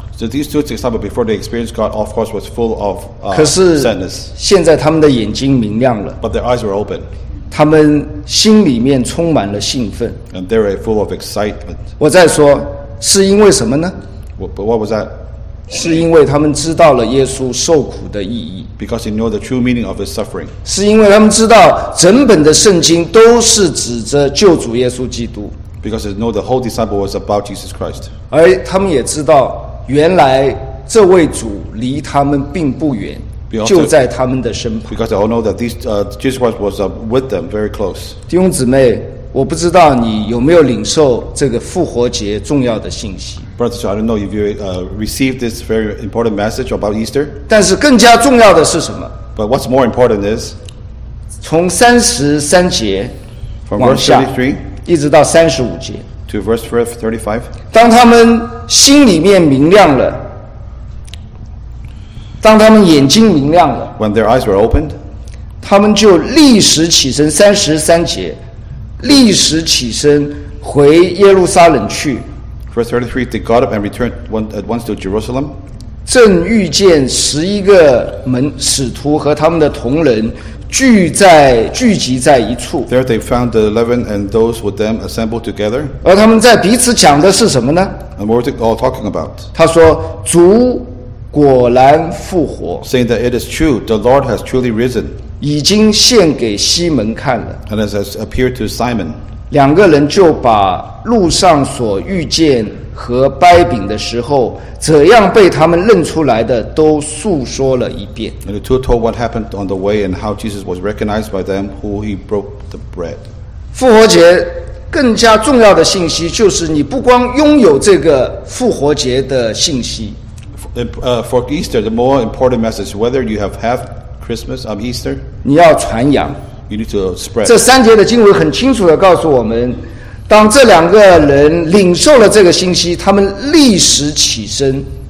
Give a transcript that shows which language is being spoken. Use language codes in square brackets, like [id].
[en] So these two disciples before they experienced God, of course, was full of sadness. [zh] 可是现在他们的眼睛明亮了。 [en] But their eyes were open. [zh] 他们心里面充满了兴奋。 [en] And they were full of excitement. [zh] 我再说，是因为什么呢？ [en] But what was that? [zh] 是因为他们知道了耶稣受苦的意义。 [en] Because they know the true meaning of his suffering. [zh] 是因为他们知道整本的圣经都是指着救主耶稣基督。 [en] Because they know the whole disciple was about Jesus Christ. [zh] 而他们也知道原来这位主离他们并不远，就在他们的身旁。 [en] Because they all know that Jesus Christ was with them very close. [zh] 弟兄姊妹，我不知道你有没有领受这个复活节重要的信息。 [en] Brothers, I don't know if you received this very important message about Easter. [zh] 但是更加重要的是什么 [en] ？But what's more important is [zh] 从三十三节往下， 一直到三十五节。 [en] To verse 35. [zh] 当他们心里面明亮了，当他们眼睛明亮了， [en] When their eyes were opened, [zh] 他们就立时起身，三十三节，立时起身回耶路撒冷去。 [en] Verse 33, they got up and returned at once to Jerusalem. [zh] 正遇见十一个门使徒和他们的同人聚集在一处。 [en] There they found the 11 and those with them assembled together. [zh] 而他们在彼此讲的是什么呢？ [en] And what were they all talking about? [zh] 他说，主果然复活。 [en] Saying that it is true, the Lord has truly risen. [zh] 已经现给西门看了。 [en] And has appeared to Simon. [zh] 两个人就把路上所遇见和掰饼的时候怎样被他们认出来的都诉说了一遍。 [en] And the two told what happened on the way and how Jesus was recognized by them who he broke the bread. [zh] 复活节更加重要的信息就是你不光拥有这个复活节的信息。 [en] For Easter, the more important message, whether you have half Christmas or Easter, [zh] 你要传扬。 [en] You need to spread. [zh] 这三节的经文很清楚地告诉我们当这两个人领受了这个信息，他们立时起身。